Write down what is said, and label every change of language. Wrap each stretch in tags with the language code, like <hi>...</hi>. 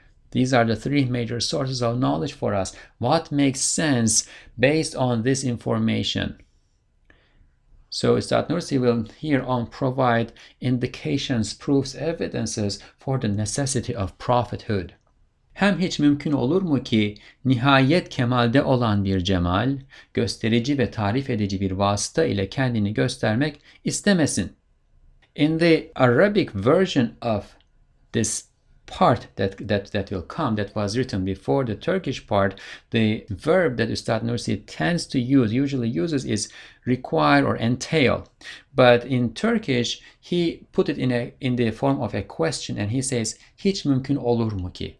<en>These are the three major sources of knowledge for us. What makes sense based on this information? So Ustad Nursi will here on provide indications, proofs, evidences for the necessity of prophethood.</en> <tr>Hem hiç mümkün olur mu ki nihayet kemalde olan bir cemal, gösterici ve tarif edici bir vasıta ile kendini göstermek istemesin.</tr> <en>In the Arabic version of this part that will come, that was written before the Turkish part, the verb that Ustad Nursi tends to use, usually uses, is require or entail. But in Turkish, he put it in the form of a question, and he says,</en> <tr>hiç mümkün olur mu ki?</tr>